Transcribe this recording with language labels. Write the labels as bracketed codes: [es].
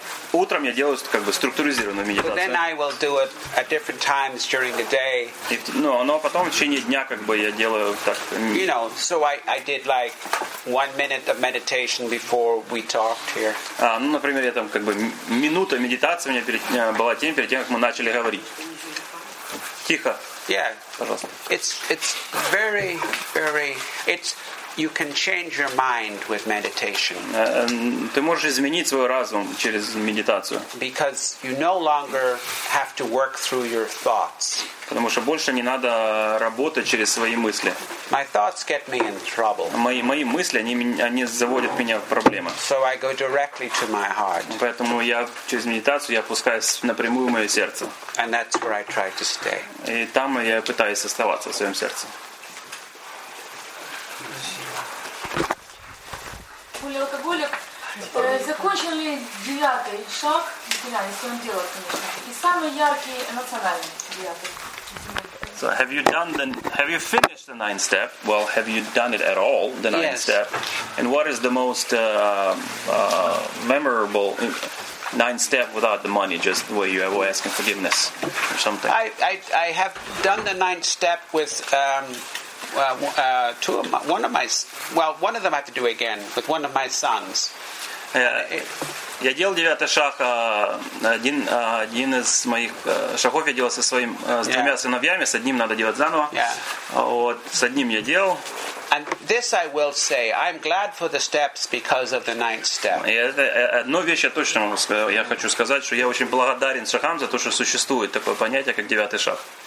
[ru] Утром я делаю как бы структурированную медитацию. [en] But then I will do it at different times during the day. [ru] Но потом в течение дня как бы я делаю так. [en] You know, so I did like 1 minute of meditation before we talked here. [ru] Например, я там как бы минута медитации у меня была тем перед тем, как мы начали говорить. Тихо. [en] Yeah. [ru] Пожалуйста. [en] It's very very it's You can change your mind with meditation. [ru] Ты можешь изменить свой разум через медитацию. [en] Because you no longer have to work through your thoughts. [ru] Потому что больше не надо работать через свои мысли. [en] My thoughts get me in trouble. [ru] Мои мысли они заводят меня в проблемы. [en] So I go directly to my heart. [ru] Поэтому я через медитацию я опускаюсь напрямую в мое сердце. [en] And that's where I try to stay. [ru] И там я пытаюсь оставаться в своем сердце. Алкоголик закончил ли 9-й шаг, если он делал, конечно, и самый яркий эмоциональный 9-й. [en] So have you finished the 9th step? Well, have you done it at all, the 9th yes. step? And what is the most memorable 9th step without the money, just where you were asking forgiveness or something? I have done the 9th step with one of them I have to do again with one of my sons. [ru] Я делал 9-й шаг, один из моих шагов я делал со своим с двумя сыновьями, с одним надо делать заново. Вот с одним я делал. [en] And this I will say, I'm glad for the steps because of the 9th step. [ru] Одну вещь я точно могу сказать, я хочу сказать, что я очень благодарен шагам за то, что существует такое понятие, как 9-й шаг.